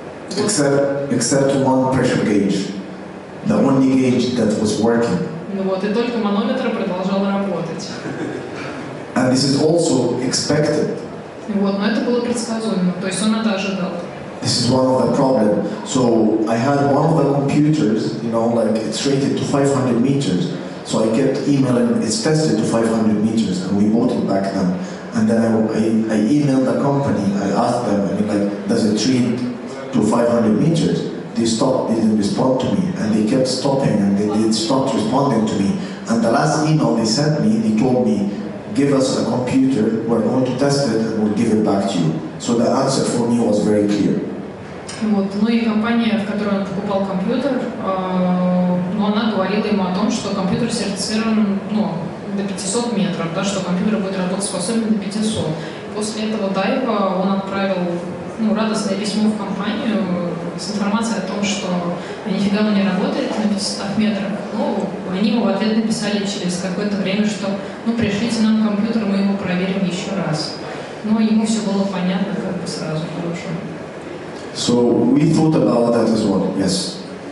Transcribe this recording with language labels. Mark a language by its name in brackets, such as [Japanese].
[English] Except one pressure gauge. The only gauge that was working. [Russian] Ну вот, и только манометр продолжал работать. [English] And this is also expected. [Russian] Вот, но это было предсказуемо, то есть он это ожидал. [English] This is one of the problems. So I had one of the computers, you know, like it's rated to 500 meters. So I kept emailing, it's tested to 500 meters, and we bought it back then. And then I emailed the company, I asked them, I mean, like, does it read to 500 meters? They stopped, they didn't respond to me, and they kept stopping, and they stopped responding to me. And the last email they sent me, they told me, give us a computer, we're going to test it, and we'll give it back to you. So the answer for me was very clear. [Russian] Вот. Ну и компания, в которой он покупал компьютер, ну, она говорила ему о том, что компьютер сертифицирован, ну, до 500 метров, да, что компьютер будет работоспособен до 500. После этого дайва он отправил, ну, радостное письмо в компанию с информацией о том, что нифига он не работает на 500 метрах. Ну, они ему в ответ написали через какое-то время, что, ну, пришлите нам компьютер, мы его проверим еще раз. Но ему все было понятно как бы сразу, хорошо. [English] So we thought about that as well, yes.